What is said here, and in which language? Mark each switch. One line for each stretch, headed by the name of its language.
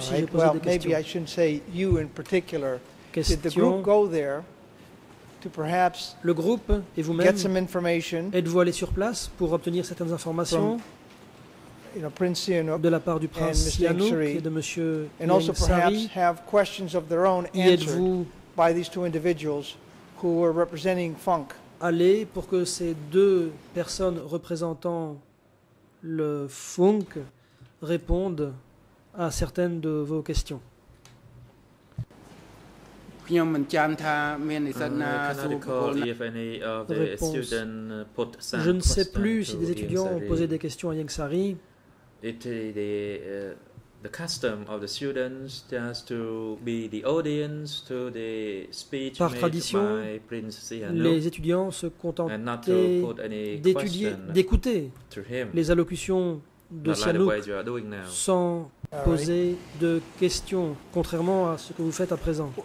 French: si j'ai posé des questions.
English: Maybe I shouldn't say you in particular.
French: Question.
English: Did the group go there to perhaps
French: le groupe et vous-même
English: get some information?
French: Êtes-vous allé sur place pour obtenir certaines informations
English: Prince Sihanouk
French: de la part du prince Sihanouk et de Monsieur
English: and also perhaps have questions of their own answered by these two individuals who were representing Funk?
French: Aller pour que ces deux personnes représentant le Funk répondent à certaines de vos questions.
English: I cannot recall if any of the students put some
French: Je ne sais plus si des étudiants ont posé des questions à Ying Sary.
English: The custom of the students just to be the audience to the speech
French: Par tradition,
English: made by Prince Sihanouk,
French: les étudiants se contentaient d'écouter les allocutions de Sihanouk
English: like
French: sans poser de questions, contrairement à ce que vous faites à présent.